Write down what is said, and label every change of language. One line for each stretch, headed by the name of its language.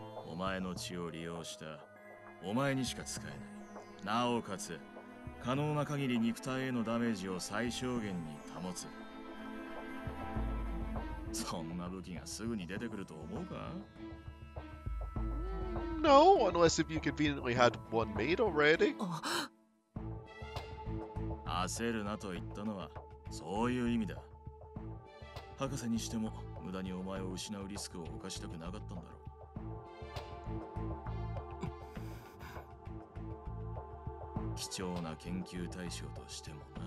Japanese: お前の血を利用した、お前にしか使えない。なおかつ、可能な限り肉体へのダメージを最小限に保つ。そんな武器がすぐに出てくると思うか？
English: No, unless if you conveniently had one made already.
Japanese: 焦るなと言ったのはそういう意味だ。博士にしても無駄にお前を失うリスクを犯したくなかったんだろう。貴重な研究対象としてもな。